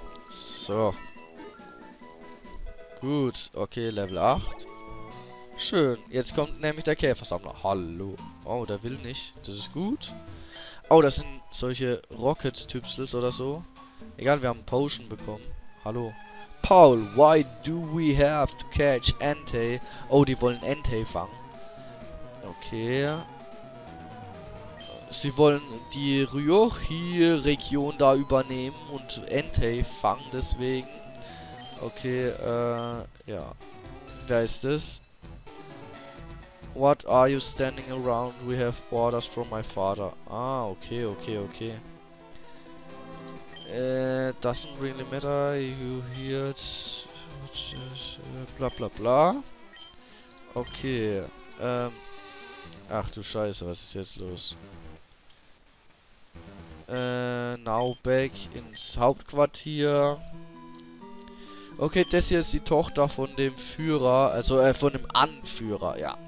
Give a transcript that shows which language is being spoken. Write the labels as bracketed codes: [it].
[de] So. Gut, okay, Level 8. Schön, jetzt kommt nämlich der Käfersammler. Hallo. Oh, der will nicht. Das ist gut. Oh, das sind solche Rocket-Typsels oder so. Egal, wir haben Potion bekommen. Hallo. [en] Paul, why do we have to catch Entei? [de] Oh, die wollen Entei fangen. Okay. Sie wollen die Ryohi-Region da übernehmen und Entei fangen deswegen. Okay, ja. Wer ist das? [en] What are you standing around? We have orders from my father. [de] Ah, okay, okay, okay. [en] Doesn't really matter, you hear it. Bla bla bla. [de] Okay, ach du Scheiße, was ist jetzt los? [en] Now back [de] ins Hauptquartier. Okay, das hier ist die Tochter von dem Führer, also von dem Anführer, ja.